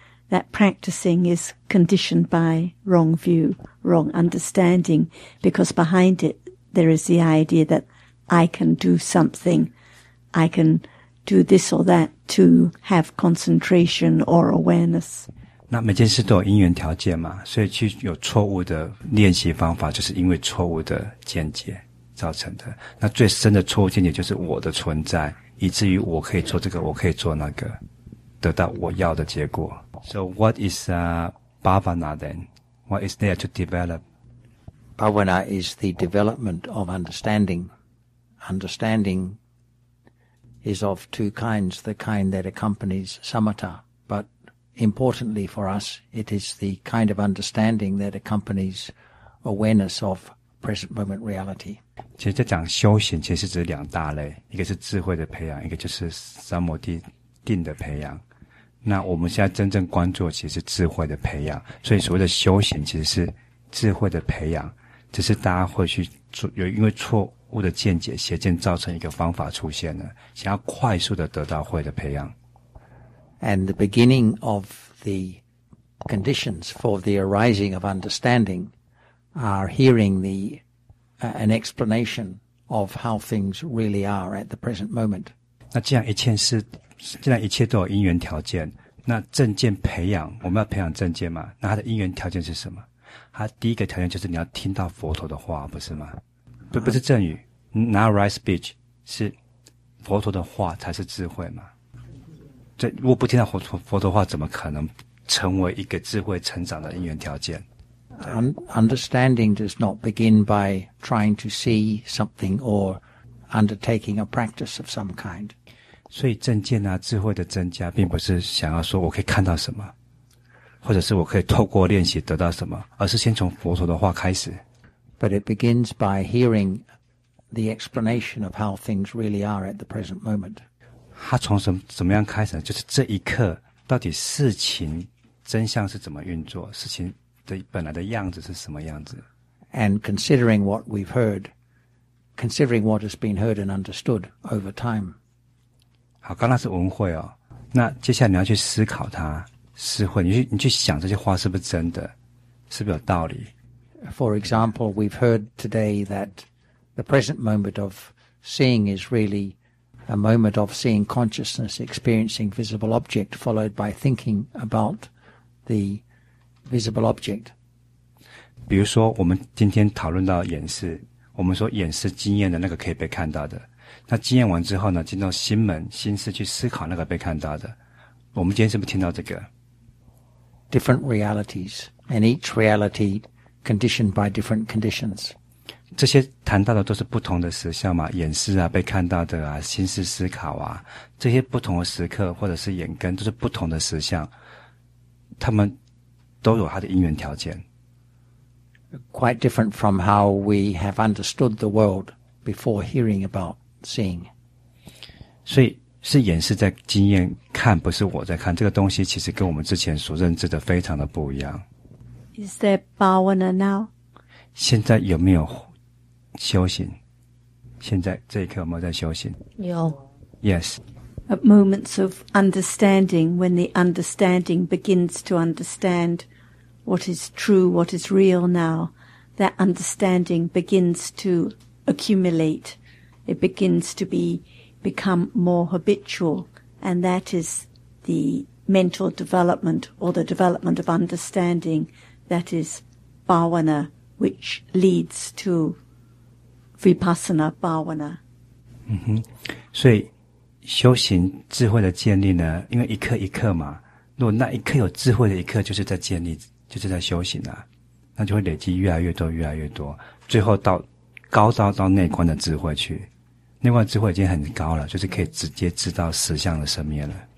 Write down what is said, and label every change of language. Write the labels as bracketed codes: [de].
[en] That practicing is conditioned by wrong view, wrong understanding, because behind it, there is the idea that I can do something, I can do this or that to have concentration or awareness. [zh] 那每件事都有因缘条件嘛，所以去有错误的练习方法，就是因为错误的见解造成的。那最深的错误见解就是我的存在，以至于我可以做这个，我可以做那个，得到我要的结果。 [en] So what is bhavana then? What is there to develop? Bhavana is the development of understanding. Understanding. Is of two kinds, the kind that accompanies samatha, but importantly for us, it is the kind of understanding that accompanies awareness of present moment reality. [zh] 其实这讲修行，其实只是两大类，一个是智慧的培养，一个就是samadhi定的培养。那我们现在真正关注其实是智慧的培养，所以所谓的修行其实是智慧的培养，只是大家会去做，有因为错。物的见解邪见造成一个方法出现了想要快速的得到慧的培养 [en] And the beginning of the conditions for the arising of understanding are hearing the, an explanation of how things really are at the present moment [zh] 那既然一切都有因缘条件那正见培养，我们要培养正见嘛，那它的因缘条件是什么？它第一个条件就是你要听到佛陀的话，不是吗？不是正语 [en] not right speech， [zh] 是佛陀的话才是智慧嘛。这如果不听到佛陀的话，怎么可能成为一个智慧成长的因缘条件？ [en] Understanding does not begin by trying to see something or undertaking a practice of some kind. [zh] 所以正见啊，智慧的增加，并不是想要说我可以看到什么，或者是我可以透过练习得到什么，而是先从佛陀的话开始。 [en] But it begins by hearing the explanation of how things really are at the present moment. [zh] 他从怎么样开始呢？就是这一刻到底事情真相是怎么运作，事情的本来的样子是什么样子。 [en] And considering what we've heard, considering what has been heard and understood over time. [zh] 好，刚才是文慧哦，那接下来你要去思考它，思慧，你去想这些话是不是真的，是不是有道理。 [en] For example, we've heard today that the present moment of seeing is really a moment of seeing consciousness experiencing visible object followed by thinking about the visible object. [zh] 比如说我们今天讨论到眼识，我们说眼识经验的那个可以被看到的，那经验完之后呢，进到心门心识去思考那个被看到的，我们今天是不是听到这个 [en] different realities and each realityconditioned by different conditions. [zh] 这些谈到的都是不同的实相嘛，眼识啊，被看到的啊，心识思考啊，这些不同的时刻或者是眼根都是不同的实相，他们都有它的因缘条件。 [en] Quite different from how we have understood the world before hearing about seeing. [zh] 所以是眼识在经验看，不是我在看，这个东西其实跟我们之前所认知的非常的不一样。 [en] Is there bhavana now? [zh] 现在有没有修行？现在这一刻有没有在修行？有。 [en] Yes. At moments of understanding, when the understanding begins to understand what is true, what is real now, that understanding begins to accumulate. It begins to become more habitual, and that is the mental development or the development of understanding. That is bhavana, which leads to vipassana bhavana. [zh] 嗯哼，所以修行智慧的建立呢，因为一刻一刻嘛，如果那一刻有智慧的一刻，就是在建立，就是在修行啊，那就会累积越来越多，越来越多，最后到高招到内观的智慧去，内观智慧已经很高了，就是可以直接知道实相的生灭了。